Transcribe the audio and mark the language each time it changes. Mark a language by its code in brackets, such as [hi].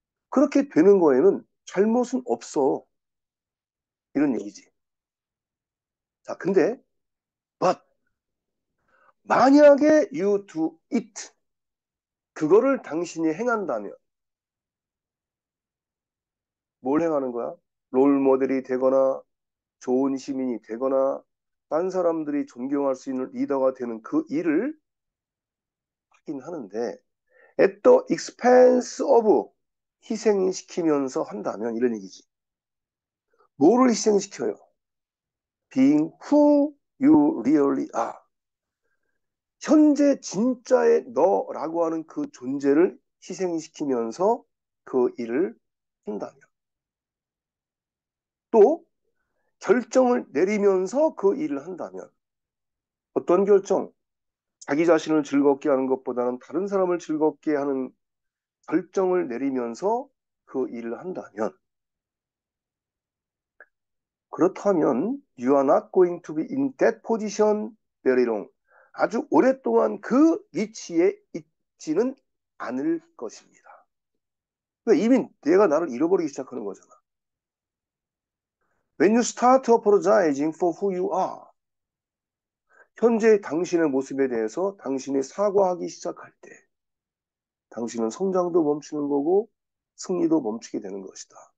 [ko] 그렇게 되는 거에는 잘못은 없어. 이런 얘기지. 자, 근데 [en] but [ko] 만약에 [en] you do it, [ko] 그거를 당신이 행한다면 뭘 행하는 거야? 롤모델이 되거나 좋은 시민이 되거나 딴 사람들이 존경할 수 있는 리더가 되는 그 일을 하긴 하는데, [en] at the expense of [ko] 희생시키면서 한다면 이런 얘기지. 뭐를 희생시켜요? [en] Being who you really are. [ko] 현재 진짜의 너라고 하는 그 존재를 희생시키면서 그 일을 한다면. 또, 결정을 내리면서 그 일을 한다면. 어떤 결정? 자기 자신을 즐겁게 하는 것보다는 다른 사람을 즐겁게 하는 결정을 내리면서 그 일을 한다면. [en] 그렇다면, you are not going to be in that position very long. [ko] 아주 오랫동안 그 위치에 있지는 않을 것입니다. 이미 내가 나를 잃어버리기 시작하는 거잖아. [en] When you start apologizing for who you are, [ko] 현재 당신의 모습에 대해서 당신이 사과하기 시작할 때, 당신은 성장도 멈추는 거고, 승리도 멈추게 되는 것이다.